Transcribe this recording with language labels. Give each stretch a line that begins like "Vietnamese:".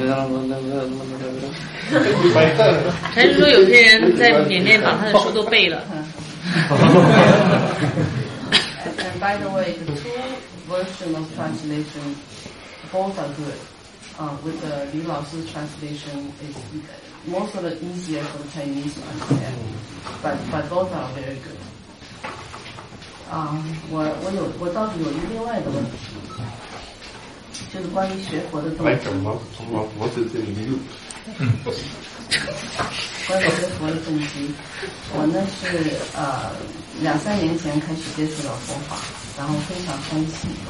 Chinese: 叔说有些人在缅甸把他的书都背了。
English: And by the way, the two version of translation both are good. With the 李老师 translation is most of the easier for the Chinese to understand, but both are very good.
Chinese: 我倒是有一个另外的问题。就是关于学佛的东西。什么？从老佛子这里一路。关于学佛的东西，我呢是两三年前开始接触了佛法，然后非常欢喜。